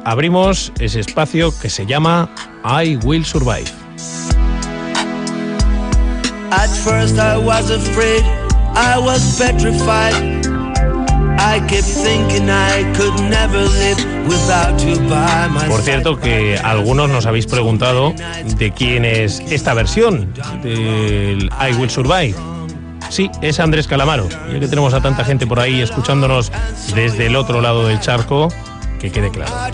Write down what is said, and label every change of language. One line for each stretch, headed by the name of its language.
Spanish: Abrimos ese espacio que se llama I Will Survive.
English: At first I was afraid, I was petrified. I kept thinking I could never live without you by my side.
Spanish: Por cierto, que algunos nos habéis preguntado de quién es esta versión del I Will Survive. Sí, es Andrés Calamaro. Ya que tenemos a tanta gente por ahí escuchándonos desde el otro lado del charco, que quede claro.